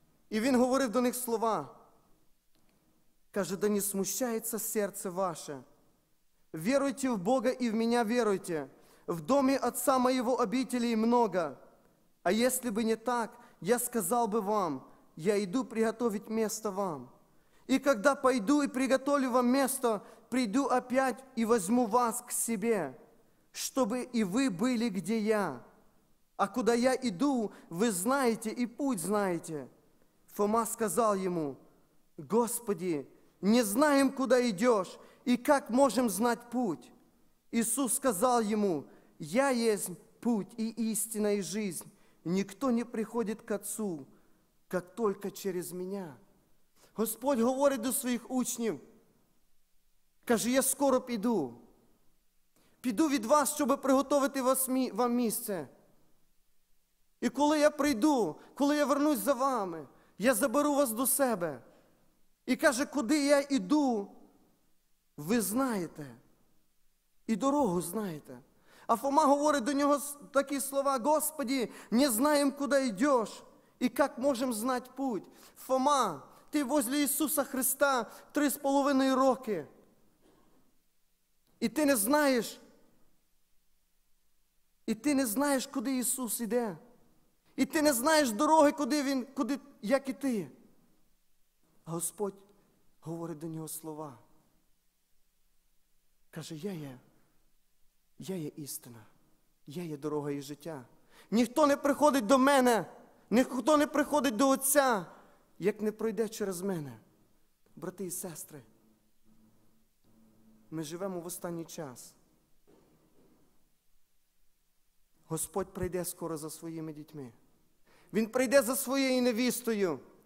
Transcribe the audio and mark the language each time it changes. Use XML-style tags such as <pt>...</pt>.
<uk>І Він говорив до них слова. Каже, да не смущається серце ваше. Веруйте в Бога і в мене веруйте. В домі Отца моєго обителі много. А якщо б не так, я сказав би вам, я йду</uk> <ru>приготовить место</ru> <uk>вам.</uk> <ru>И когда пойду и приготовлю вам место, прийду опять и возьму вас к себе, чтобы и вы были, где я. А куда я иду, вы знаете и путь знаете. Фома сказал ему, Господи, не знаем, куда идешь, и как можем знать путь. Иисус сказал ему, я есть путь и истина и жизнь. Никто не приходит к Отцу,</ru> <uk>як тільки через мене. Господь говорить до своїх учнів. Каже, я скоро піду. Піду від вас, щоб приготувати вам місце. І коли я прийду, коли я вернусь за вами, я заберу вас до себе. І каже, куди я йду, ви знаєте. І дорогу знаєте. А Фома говорить до нього такі слова, Господи, не знаємо, куди йдеш.</uk> <ru>И как можем знать путь? Фома, ты возле Иисуса Христа 3,5 роки. И ты не знаешь. И ты не знаешь, куда Иисус идет. И ты не знаешь дороги, куда Он, куда, как и ты. А Господь говорит до него слова.</ru> <uk>Каже, я є истина. Я є дорога и життя.</uk> <ru>Никто не приходит до мене.</ru> <uk>Ніхто не приходить до Отця, як не пройде через мене. Брати і сестри, ми живемо в останній час. Господь прийде скоро за своїми дітьми. Він прийде за своєю невістою.</uk>